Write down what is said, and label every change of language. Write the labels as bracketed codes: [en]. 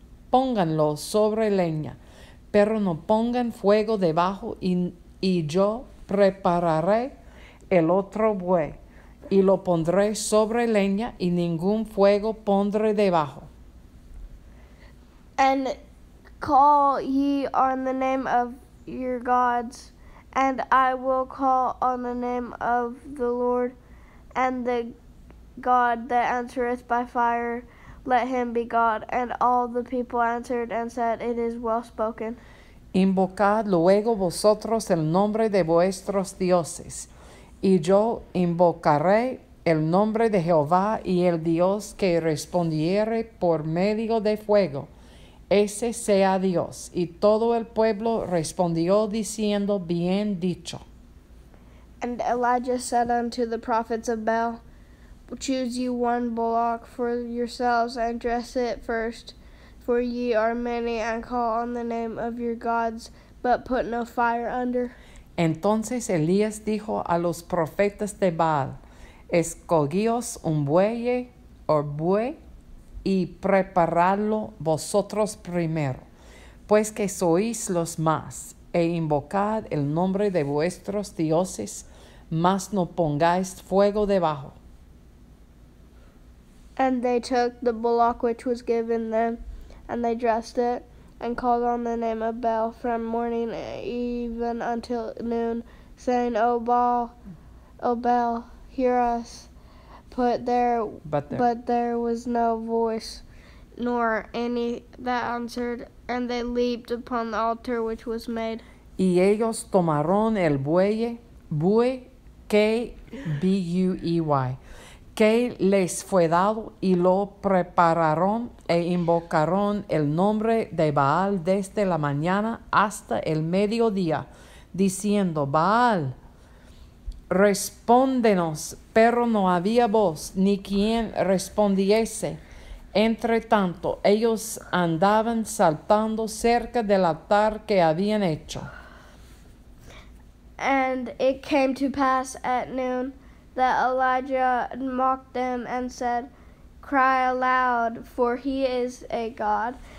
[es] pónganlo sobre leña, pero no pongan fuego debajo, y yo prepararé el otro buey, y lo pondré sobre leña, y ningún fuego pondré debajo. [en] And call ye on the name of your gods, and I will call on the name of the Lord, and the God that answereth by fire, let him be God. And all the people answered and said, it is well spoken. [es] Invocad luego vosotros el nombre de vuestros dioses, y yo invocaré el nombre de Jehová, y el Dios que respondiere por medio de fuego, ese sea Dios. Y todo el pueblo respondió diciendo, bien dicho. [en] And Elijah said unto the prophets of Baal, choose you one bullock for yourselves, and dress it first, for ye are many, and call on the name of your gods, but put no fire under. [es] Entonces Elías dijo a los profetas de Baal, escogíos un buey o buey, y preparadlo vosotros primero, pues que sois los más, e invocad el nombre de vuestros dioses, mas no pongáis fuego debajo. [en] And they took the bullock which was given them, and they dressed it, and called on the name of Baal from morning even until noon, saying, O Baal, O Baal, hear us. But there was no voice, nor any that answered, and they leaped upon the altar which was made. [es] Y ellos tomaron el buey, buey, K-B-U-E-Y, que les fue dado, y lo prepararon, e invocaron el nombre de Baal desde la mañana hasta el mediodía, diciendo, Baal, respóndenos. Pero no había voz ni quien respondiese. Entre tanto, ellos andaban saltando cerca del altar que habían hecho. [en] And it came to pass at noon that Elijah mocked them and said, cry aloud, for he is a god.